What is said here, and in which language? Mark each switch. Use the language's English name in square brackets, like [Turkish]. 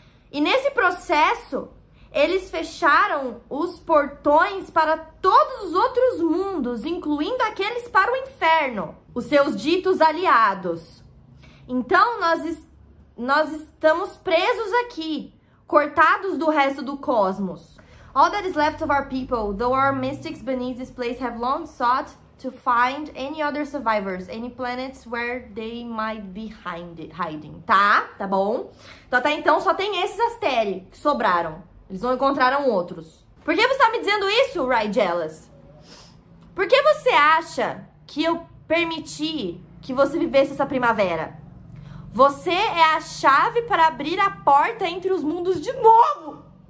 [Portuguese] E nesse processo, eles fecharam os portões para todos os outros mundos, incluindo aqueles para o inferno, os seus ditos aliados. Então, nós estamos presos aqui, cortados do resto do cosmos. [English] All that is left of our people, though our mystics beneath this place have long sought to find any other survivors, any planets where they might be hiding. [Portuguese] Tá? Tá bom? Então, até então, só tem esses Asteri que sobraram. Eles não encontraram outros. Por que você tá me dizendo isso, Rigelas? Por que você acha que eu permiti que você vivesse essa primavera? Você é a chave para abrir a porta entre os mundos de novo!